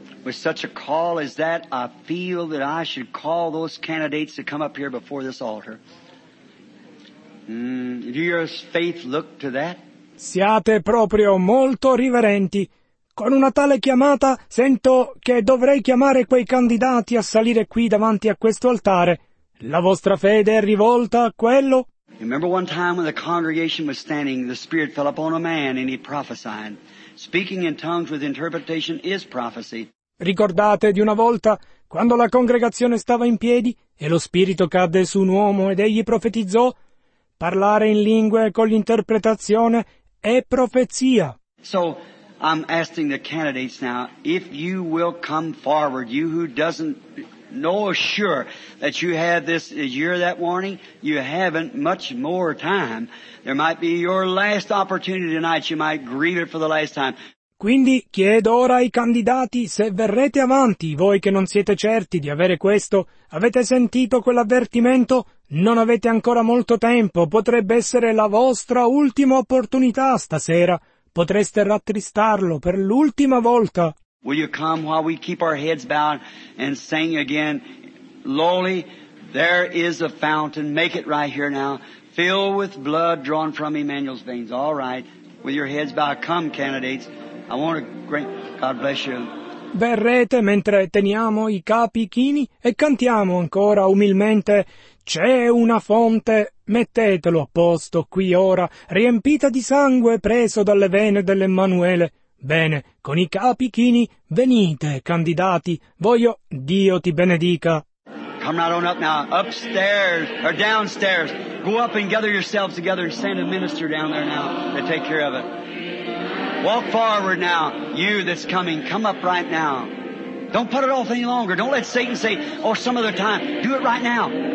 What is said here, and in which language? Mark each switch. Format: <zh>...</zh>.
<en>Such a call as that, I feel that I should call those candidates to come up here before this altar. Your faith look to that?</en> <it>Siate proprio molto riverenti. Con una tale chiamata sento che dovrei chiamare quei candidati a salire qui davanti a questo altare. La vostra fede è rivolta a quello?</it> <en>Remember one time when the congregation was standing, the Spirit fell upon a man and he prophesied. Speaking in tongues with interpretation is prophecy.</en> <it>Ricordate di una volta, quando la congregazione stava in piedi e lo Spirito cadde su un uomo ed egli profetizzò, parlare in lingue con l'interpretazione è profezia.</it> <en>So, I'm asking the candidates now, if you will come forward, you who doesn't know sure that you have this, you're that warning, you haven't much more time. There might be your last opportunity tonight, you might grieve it for the last time.</en> <it>Quindi chiedo ora ai candidati se verrete avanti, voi che non siete certi di avere questo, avete sentito quell'avvertimento, non avete ancora molto tempo, potrebbe essere la vostra ultima opportunità stasera, potreste rattristarlo per l'ultima volta.</it> <en>Will you come while we keep our heads bowed and sing again, lowly, there is a fountain. Make it right here now. Fill with blood drawn from Emmanuel's veins. All right. With your heads bowed, come, candidates. I want to grant... God bless you.</en> <it>Verrete mentre teniamo i capi chini e cantiamo ancora umilmente. C'è una fonte, mettetelo a posto qui ora, riempita di sangue preso dalle vene dell'Emmanuele. Bene, con i capi chini, venite, candidati. Voglio Dio ti benedica.</it> <en>Come right on up now, upstairs or downstairs. Go up and gather yourselves together and send a minister down there now to take care of it. Walk forward now, you that's coming. Come up right now. Don't put it off any longer. Don't let Satan say, or some other time. Do it right now.</en>